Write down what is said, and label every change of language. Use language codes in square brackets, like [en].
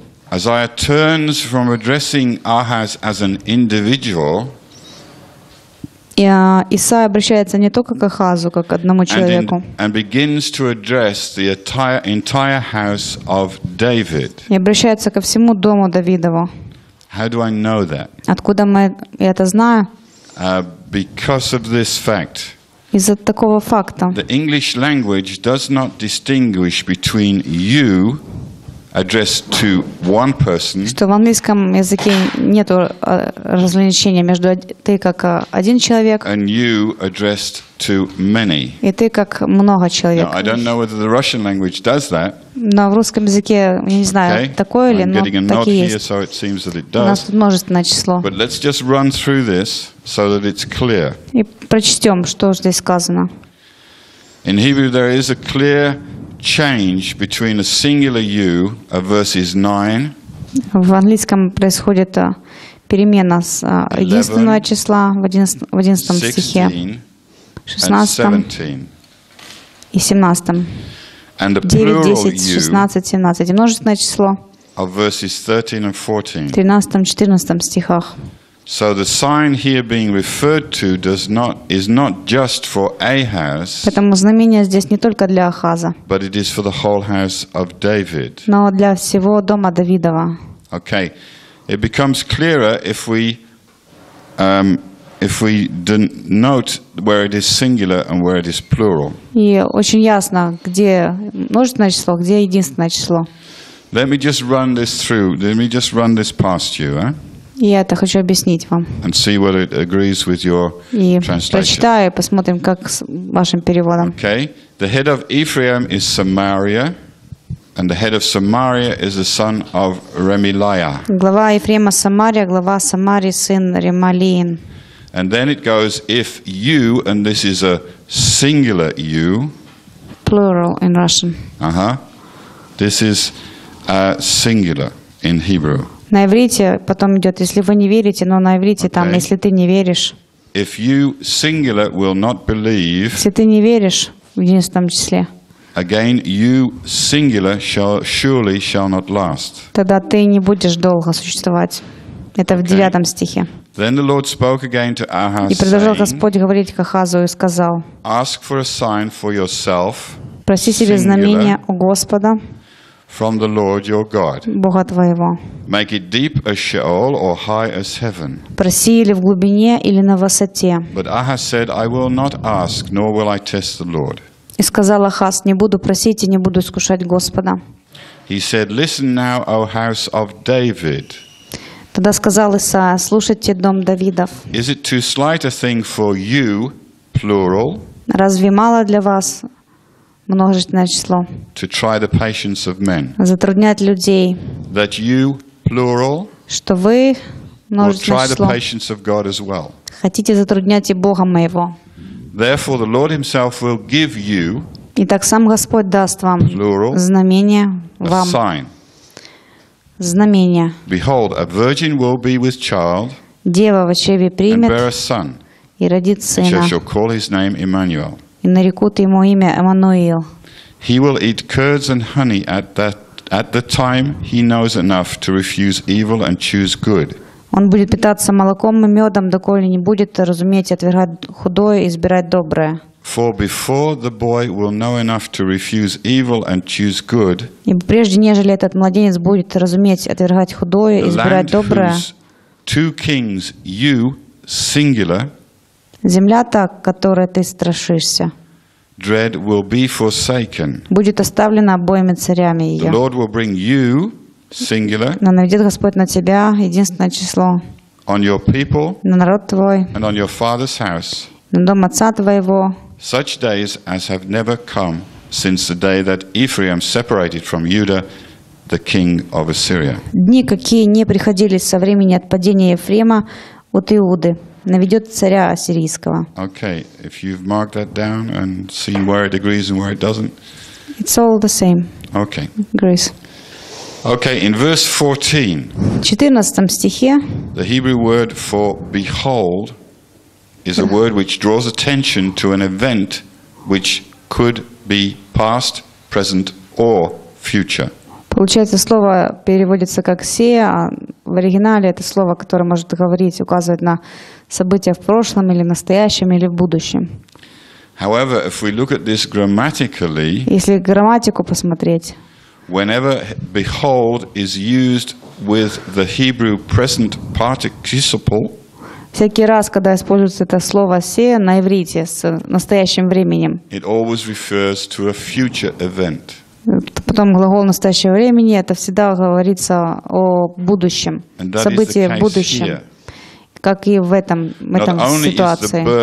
[en] Isaiah turns from addressing Ahaz as an individual. [ru] Исаия обращается не только к Ахазу, как к одному человеку. [en] And begins to address the entire house of David. [ru] И обращается ко всему дому Давидову. [en] How do I know that? [ru] Откуда мы это знаю? [en] Because of this fact. [ru] Из-за такого факта. [en] The English language does not distinguish between you addressed to one person. [ru] Что в английском языке нету различения между ты как один человек. [en] And you addressed to many. [ru] И ты как много человек. [en] Now, I don't know whether the Russian language does that. [ru] Но в русском языке, я не знаю, такое ли, но так и есть. [en] Here, so it seems that it does. [ru] У нас тут множественное число. [en] But let's just run through this so that it's clear. [ru] И прочтем, что здесь сказано. [en] In Hebrew there is a clear change between a singular you of verses 9. [ru] В английском происходит перемена с единственного числа в 11 стихе, 16 и 17. [en] And the [ru] 9, 10, 16, 17. Множественное число. [en] Of verses 13 and 14. [ru] 13, 14 стихах. [en] So the sign here being referred to is not just for Ahaz. [ru] Поэтому знамение здесь не только для Ахаза. [en] But it is for the whole house of David. [ru] Но для всего дома Давидова. [en] Okay, it becomes clearer if we denote where it is singular and where it is plural. [ru] И очень ясно, где множественное число, где единственное число. [en] Let me just run this past you, huh? [ru] Я это хочу объяснить вам. [en] And see what it agrees with your translation. [ru] И прочитаю, посмотрим, как с вашим переводом. [en] Okay. The head of Ephraim is Samaria, and the head of Samaria is the son of Remaliah. [ru] Глава Ефрема Самария, глава Самарии сын Ремалиин. [en] And then it goes, if you, and this is a singular you. Plural in Russian. Uh-huh. This is a singular in Hebrew. [ru] На иврите потом идет, если вы не верите, но на иврите okay. Там, если ты не веришь. [en] If you singular will not believe. [ru] Если ты не веришь в единственном числе. [en] Again, you singular surely shall not last. [ru] Тогда ты не будешь долго существовать. Это okay. В 9 стихе. [en] Then the Lord spoke again to Ahaz. [ru] И продолжал Господь говорить к Ахазу и сказал. [en] Ask for a sign for yourself. [ru] Проси себе знамение у Господа. [en] From the Lord your God. [ru] Бога твоего. [en] Make it deep as Sheol or high as heaven. [ru] Проси или в глубине, или на высоте. [en] But Ahaz said, I will not ask, nor will I test the Lord. [ru] И сказал Ахаз, не буду просить и не буду искушать Господа. [en] He said, listen now, O house of David. [ru] Тогда сказал Исаия, слушайте дом Давидов. [en] Is it too slight a thing for you, plural? [ru] Разве мало для вас? Множественное число. [en] To try the patience of men. [ru] Затруднять людей. [en] That you, plural, [ru] что вы, множественное [en] try [ru] число, [en] the patience of God as well. [ru] Хотите затруднять и Бога моего. [en] Therefore, the Lord himself will give you, [ru] и так сам Господь даст вам, [en] plural, [ru] знамение вам. [en] A sign. [ru] Знамение. [en] Behold, a virgin will be with child, [ru] дева в чреве примет [en] and bear a son, [ru] и родит сына. [en] And shall call his name Emmanuel. [ru] И нарекут ему имя Эммануил. [en] He will eat curds and honey at the time he knows enough to refuse evil and choose good. [ru] Он будет питаться молоком и медом, доколе не будет разуметь отвергать худое и избирать доброе. [en] For before the boy will know enough to refuse evil and choose good. [ru] Ибо прежде нежели этот младенец будет разуметь отвергать худое и избирать доброе. [en] Two kings, you singular. [ru] Земля та, которой ты страшишься, [en] dread will be forsaken. [ru] Будет оставлена обоими царями ее. [en] The Lord will bring you, singular, [ru] но наведет Господь на тебя, единственное число, [en] on your people, [ru] на народ твой, [en] and on your father's house, [ru] на дом отца твоего, [en] such days as have never come since the day that Ephraim separated from Judah, the king of Assyria. [ru] Дни, какие не приходили со времени отпадения Ефрема от Иуды, наведет царя ассирийского. [en] Okay, if you've marked that down and seen where it agrees and where it doesn't, it's all the same. Okay. Agrees. Okay, in verse 14. [ru] В 14 стихе. [en] The Hebrew word for behold is a word which draws attention to an event which could be past, present, or future. [ru] Получается, слово переводится как «сея», а в оригинале это слово, которое может говорить, указывать на события в прошлом или в настоящем или в будущем. [en] However, if we look at this grammatically, [ru] если грамматику посмотреть, [en] whenever behold is used with the Hebrew present participle, [ru] всякий раз, когда используется это слово «сея» на иврите с настоящим временем, [en] it always refers to a future event. [ru] Потом глагол настоящего времени, это всегда говорится о будущем, событии в будущем, как и в этом ситуации.